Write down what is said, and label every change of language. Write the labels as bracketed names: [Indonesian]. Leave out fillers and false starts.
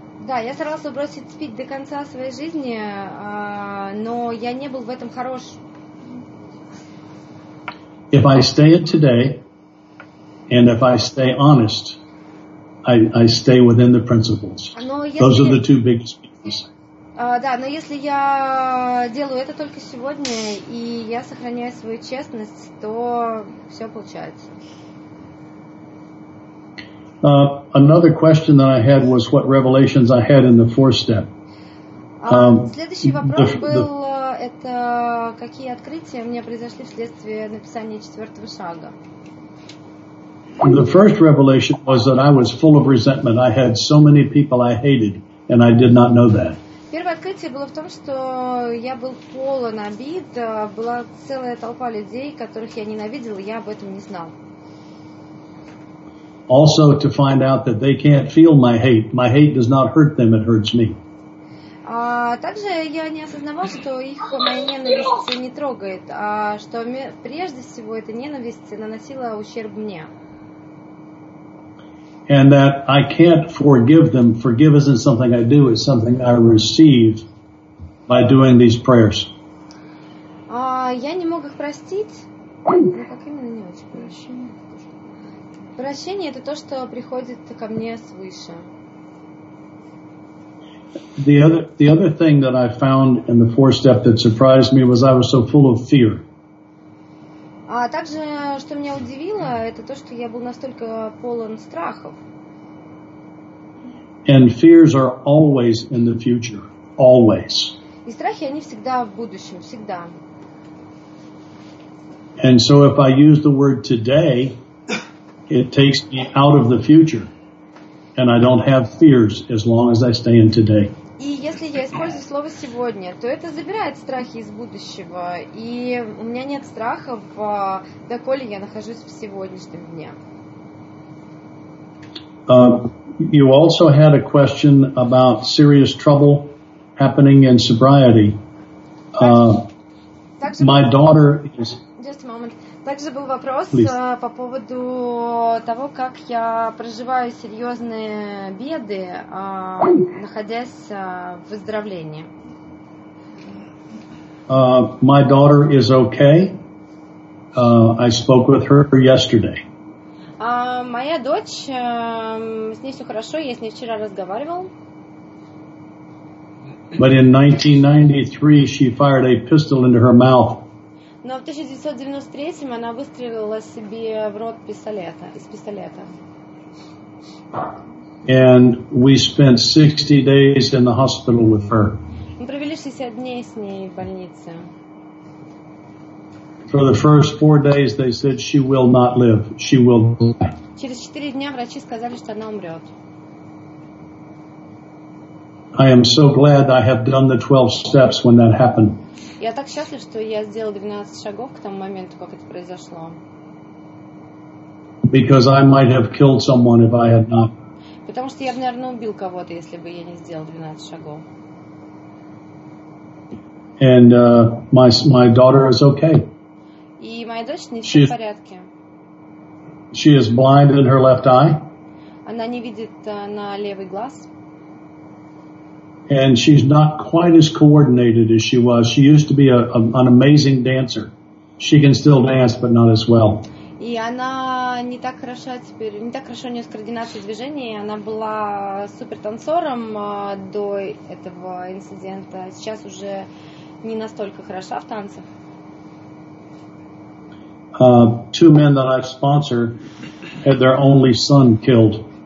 [Russian] Я старался бросить пить до конца своей жизни, но я не был в этом хорош. [English] If I stay it today, and if I stay honest, I stay within the principles. Those are the two biggest pieces. [Russian] Да, но если я делаю это только сегодня, и я сохраняю свою честность, то все получается. [English] Another question that I had was what revelations I had in the fourth step. [Russian] Следующий вопрос был, это какие открытия у меня произошли вследствие написания четвертого шага? [English] The first revelation was that I was full of resentment. I had so many people I hated, and I did not know that. [Russian] Первое открытие было в том, что я был полон обид, была целая толпа людей, которых я ненавидел, и я об этом не знал. [English] Also to find out that they can't feel my hate. My hate does not hurt them, it hurts me. [Russian] Также я не осознавал, что их моя ненависть не трогает, а что прежде всего эта ненависть наносила ущерб мне. [English] And that I can't forgive them. Forgive isn't something I do, it's something I receive by doing these prayers. [Russian] Я не мог их простить. Ну, как именно не очень прощение? Прощение — это то, что приходит ко мне свыше. [English] The other thing that I found in the fourth step that surprised me was I was so full of fear. [Russian] А также, что меня удивило, это то, что я был настолько полон страхов. [English] And fears are always in the future. Always. [Russian] И страхи, они всегда в будущем, всегда. [English] And so if I use the word today, it takes me out of the future. And I don't have fears as long as I stay in today. [Russian] И если я использую слово сегодня, то это забирает страхи из будущего. И у меня нет страхов, доколе я нахожусь в сегодняшнем дне. [English] You also had a question about serious trouble happening in sobriety. My daughter is... Just a moment. [Russian] Также был вопрос по поводу того, как я проживаю серьезные беды, находясь в выздоровлении. [English] My daughter is okay. I spoke with her yesterday. [Russian] Моя дочь, с ней все хорошо, я с ней вчера разговаривал. [English] But in 1993 she fired a pistol into her mouth. [Russian] Но в 1993 она выстрелила себе в рот из пистолета. [English] And we spent 60 days in the hospital with her. [Russian] Мы провели 60 дней с ней в больнице. [English] For the first 4 days they said she will not live. She will die. [Russian] Через 4 дня врачи сказали, что она умрет. [English] I am so glad I have done the 12 steps when that happened. [Russian] Я так счастлив, что я сделал 12 шагов к тому моменту, как это произошло. [English] Because I might have killed someone if I had not. [Russian] Потому что я бы, наверное, убил кого-то, если бы я не сделал 12 шагов. [English] And my daughter is okay. [Russian] И моя дочь не все в порядке. [English] She is blind in her left eye. [Russian] Она не видит на левый глаз. [English] And she's not quite as coordinated as she was. She used to be an amazing dancer. She can still dance, but not as well. [Russian] И она не так хороша теперь, не так хорошо у нее с координацией движений. Она была супертанцором до этого инцидента. Сейчас уже не настолько хороша в танцах. [English] Two men that I've sponsored had their only son killed.